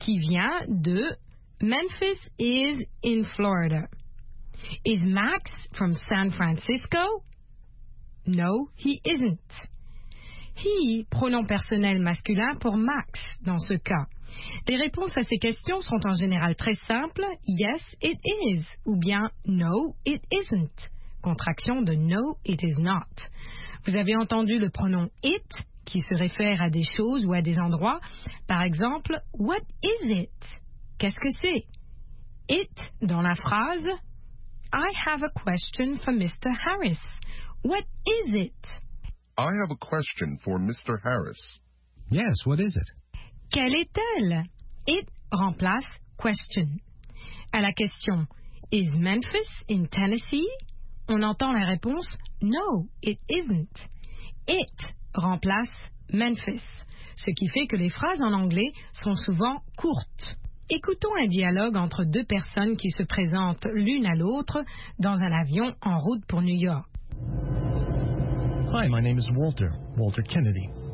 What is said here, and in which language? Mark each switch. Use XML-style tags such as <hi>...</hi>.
<fr>qui vient de</fr> <en>« Memphis is in Florida ».« Is Max from San Francisco ?» No, he isn't.</en> <fr>« He » pronom personnel masculin pour Max dans ce cas. Les réponses à ces questions sont en général très simples «</fr> <en>Yes, it is</en> <fr>» ou bien «</fr> <en>No, it isn't ».</en> <fr>contraction de</fr> <en>no, it is not.</en> <fr>Vous avez entendu le pronom it qui se réfère à des choses ou à des endroits. Par exemple,</fr> <en>what is it?</en> <fr>Qu'est-ce que c'est?</fr> <en>It</en> <fr>dans la phrase,</fr> <en>I have a question for Mr. Harris. What is it? I have a question for Mr. Harris. Yes, what is it?</en> <fr>Quelle est-elle? It remplace question. À la question,</fr> <en>is Memphis in Tennessee?</en> <fr>On entend la réponse,</fr> <en>no, it isn't.</en> <fr>It remplace Memphis, ce qui fait que les phrases en anglais sont souvent courtes. Écoutons un dialogue entre deux personnes qui se présentent l'une à l'autre dans un avion en route pour New York.</fr> <en>Hi, my name is Walter, Walter Kennedy.</en>